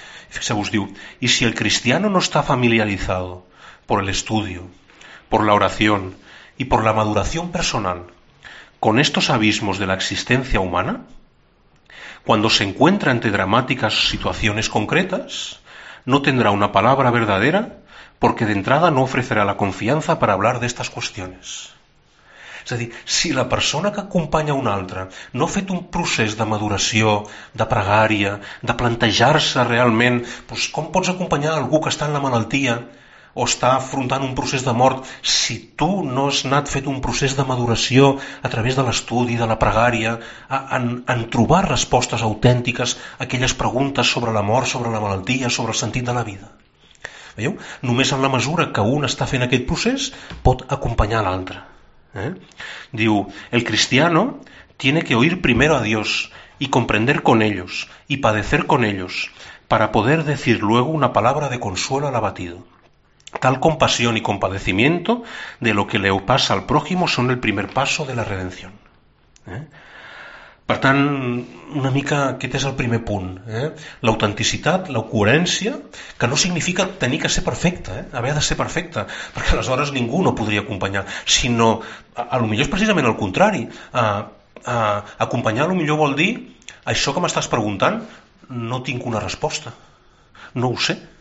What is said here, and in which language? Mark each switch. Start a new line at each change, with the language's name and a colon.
Catalan: Fixeu-vos, diu,
Spanish: i si el cristiano no está familiarizado por el estudio, por la oración y por la maduración personal con estos abismos de la existencia humana, cuando se encuentra ante dramáticas situaciones concretas, no tendrá una palabra verdadera porque de entrada no ofrecerá la confianza para hablar de estas cuestiones.
Catalan: És a dir, si la persona que acompanya una altra no ha fet un procés de maduració, de pregària, de plantejar-se realment, doncs com pots acompanyar algú que està en la malaltia o està afrontant un procés de mort si tu no has anat fet un procés de maduració a través de l'estudi, de la pregària, en trobar respostes autèntiques a aquelles preguntes sobre la mort, sobre la malaltia, sobre el sentit de la vida? Veieu? Només en la mesura que un està fent aquest procés pot acompanyar l'altre.
Spanish: Diu, el cristiano tiene que oír primero a Dios y comprender con ellos y padecer con ellos para poder decir luego una palabra de consuelo al abatido. Tal compasión y compadecimiento de lo que le pasa al prójimo son el primer paso de la redención.
Catalan: Per tant, una mica aquest és el primer punt. L'autenticitat, la coherència, que no significa tenir que ser perfecte, haver de ser perfecte, perquè aleshores ningú no podria acompanyar, sinó, a lo millor és precisament el contrari. Acompanyar, a lo millor vol dir, això que m'estàs preguntant, no tinc una resposta. No ho sé.